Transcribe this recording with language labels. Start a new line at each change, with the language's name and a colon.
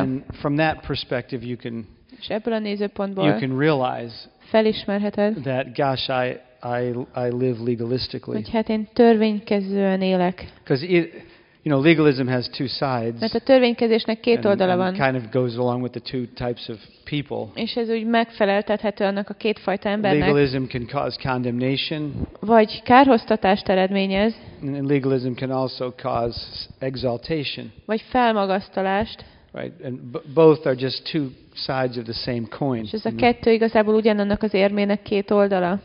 English: And from that perspective, you can.
Hungarian: És ebből a nézőpontból.
English: You can realize.
Hungarian: Felismerheted.
English: That gosh, I live legalistically.
Hungarian: Hogy hát én törvénykezően élek.
English: You know, legalism has two sides.
Hungarian: Mert a törvénykezésnek két oldala van.
English: And kind of goes along with the two types of people.
Hungarian: És ez úgy megfeleltethető annak a két fajta embernek.
English: Legalism can cause condemnation.
Hungarian: Vagy kárhoztatást eredményez.
English: And legalism can also cause exaltation.
Hungarian: Vagy felmagasztalást.
English: Right, and both are just two sides of the same coin.
Hungarian: És ez a kettő igazából ugyanannak az érmének két oldala.